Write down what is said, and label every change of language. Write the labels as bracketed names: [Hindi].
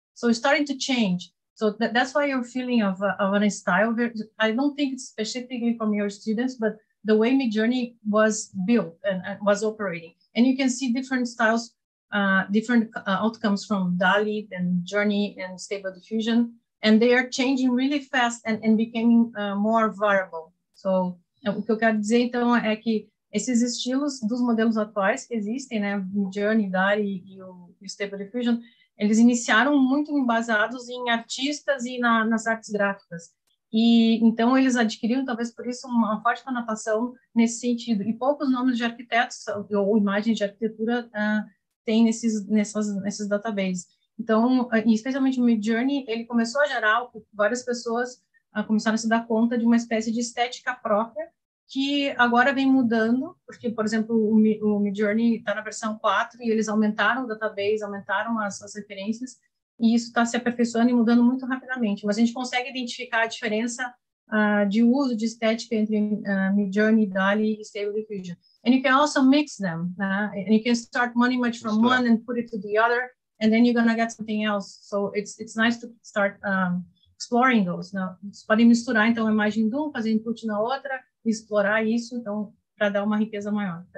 [English] So it's starting to change. So that's why your feeling of an style, I don't think it's specifically from your students, but the way Midjourney was built and was operating. And you can see different styles, different outcomes from DALL-E and Journey and Stable Diffusion. And they are changing really fast and becoming more variable. [Portuguese] So o que eu quero dizer, então, é que esses estilos dos modelos atuais que existem, né, Midjourney, DALL-E e o Stable Diffusion, eles iniciaram muito embasados em artistas e nas artes gráficas. E então eles adquiriram, talvez por isso, uma forte conotação nesse sentido. E poucos nomes de arquitetos ou imagens de arquitetura têm nesses databases. Então, especialmente o Midjourney, ele começou a gerar, várias pessoas começaram a se dar conta de uma espécie de estética própria, que agora vem mudando, porque, por exemplo, o Midjourney está na versão 4 e eles aumentaram o database, aumentaram as referências, e isso está se aperfeiçoando e mudando muito rapidamente. Mas a gente consegue identificar a diferença de uso de estética entre Midjourney, DALL-E e Stable Diffusion. [English] And you can also mix them. And you can start money much from one and put it to the other, and then you're going to get something else. So it's nice to start exploring those. [Portuguese] Now, você pode misturar, então, a imagem de um, fazer input na outra, explorar isso, então, para dar uma riqueza maior.